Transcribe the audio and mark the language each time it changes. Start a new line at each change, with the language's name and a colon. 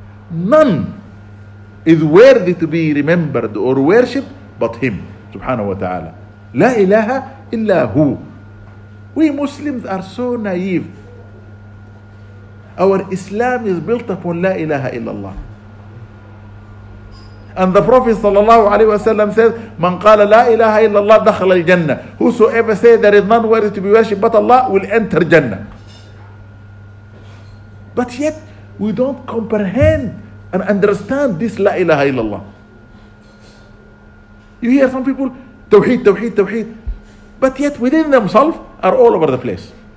English: None is worthy to be remembered or worshipped but him,
Arabic: سبحانه وتعالى. لا إله إلا هو.
English: We Muslims are so naive. Our Islam is built upon
Arabic: لا إله إلا الله.
English: And the Prophet
Arabic: صلى الله عليه وسلم
English: said,
Arabic: من قال لا إله إلا الله دخل الجنة.
English: Whosoever said there is none worthy to be worshipped but Allah will enter Jannah. But yet, we don't comprehend and understand this La ilaha illallah. You hear some people, Tawheed, Tawheed, Tawheed. But yet, within themselves, are all over the place.